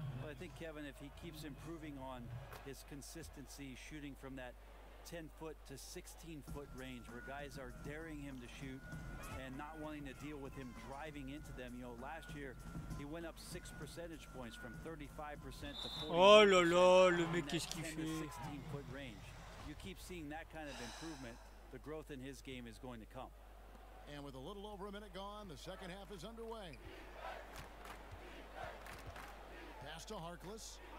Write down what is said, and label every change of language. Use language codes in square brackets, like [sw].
[en] Well, I think, Kevin, if he keeps improving on his consistency, shooting from that 10-foot to 16-foot range where guys are daring him to shoot and not wanting to deal with him driving into them. You know, last year he went up 6 percentage points from 35% to [fr] 40%. Oh la la, le mec, qu'est-ce qu'il fait? [en] 16-foot range. You keep seeing that kind of improvement, the growth in his game is going to come. And with a little over a minute gone, the second half is underway. Pass to Harkless.